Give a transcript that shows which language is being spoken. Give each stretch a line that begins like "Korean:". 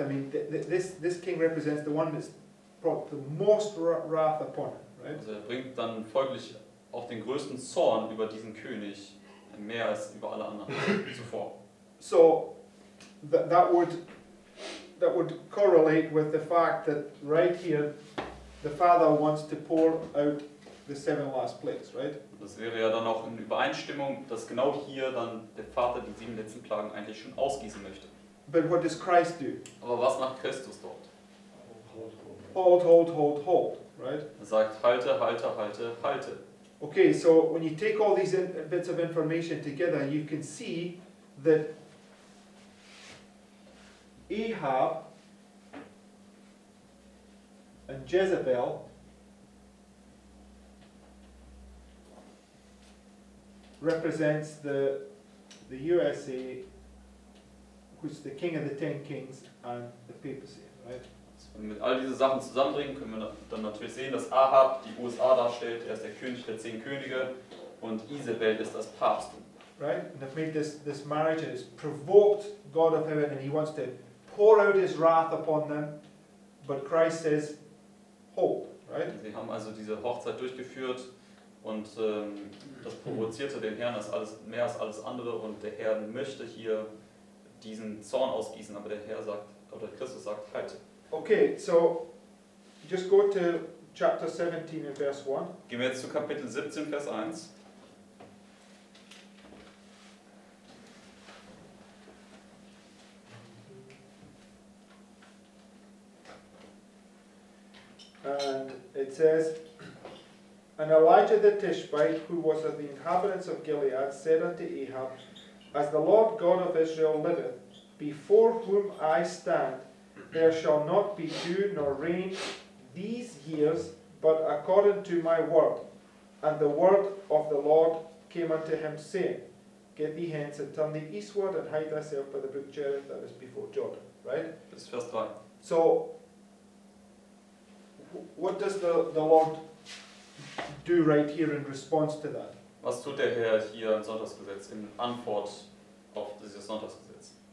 English: I mean, this king represents the one that's brought the most wrath upon him, right?
German: Also er bringt dann folglich auch den größten Zorn über diesen König, mehr als über alle anderen zuvor.
English: So, that would correlate with the fact that right here, the father wants to pour out the seven last plagues, right?
German: Das wäre ja dann auch in Übereinstimmung, dass genau hier dann der Vater die sieben letzten Plagen eigentlich schon ausgießen möchte.
English: But what does Christ do?
German: Aber was macht Christus dort?
English: Hold, right?
German: Er sagt, halte.
English: Okay, so when you take all these bits of information together, you can see that Ahab and Jezebel represents the USA, who's the king of the 10 kings and the papacy, right?
German: So, wenn wir mit all diese Sachen zusammenbringen, können wir dann natürlich sehen, dass Ahab die USA darstellt, er ist der König der 10 Könige und Isabel ist das Papsttum.
English: Right? And I've made this marriage and it's provoked God of heaven and he wants to pour out his wrath upon them, but Christ says, hold, right?
German: Sie haben also diese Hochzeit durchgeführt. Und das provozierte den Herrn mehr als alles andere und der Herr möchte hier diesen Zorn ausgießen, aber der Herr sagt, oder Christus sagt, halt.
English: Okay, so, just go to chapter 17 and verse 1.
German: Gehen wir jetzt zu Kapitel 17, Vers 1.
English: And it says, And Elijah the Tishbite, who was of the inhabitants of Gilead, said unto Ahab, As the Lord God of Israel liveth, before whom I stand, there shall not be dew nor rain these years, but according to my word. And the word of the Lord came unto him, saying, Get thee hence, and turn thee eastward, and hide thyself by the brook Cherith that is before Jordan. Right? That's the first one. So, what does the Lord do right here in response to that?
German: Was tut der Herr hier im Sonntagsgesetz, in Antwort auf dieses Sonntagsgesetz?